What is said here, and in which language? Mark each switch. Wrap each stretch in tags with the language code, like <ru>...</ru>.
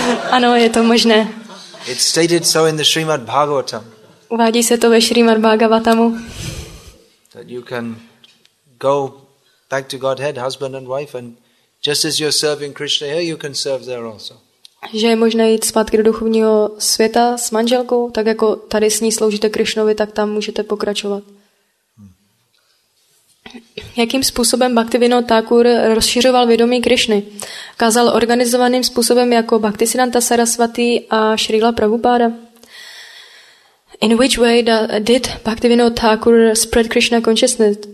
<cs>Ano, je to možné.</cs> <en>It's stated so in the Srimad Bhagavatam.</en> <cs>Uvádí se to ve Srimad Bhagavatamu.</cs> <en>That you can go back to Godhead, husband and wife, and just as you're serving Krishna here, you can serve there also.</en> <cs>Že je možné jít zpátky do duchovního světa s manželkou, tak jako tady s ní sloužíte Krishnovi, tak tam můžete pokračovat. Jakým způsobem Bhaktivinoda Thakur rozšiřoval vědomí Krišny? Kázal organizovaným způsobem jako Bhaktisiddhanta Sarasvati a Srila Prabhupada?</cs> <en>In which way did Bhaktivinoda Thakur spread Krishna consciousness?</en>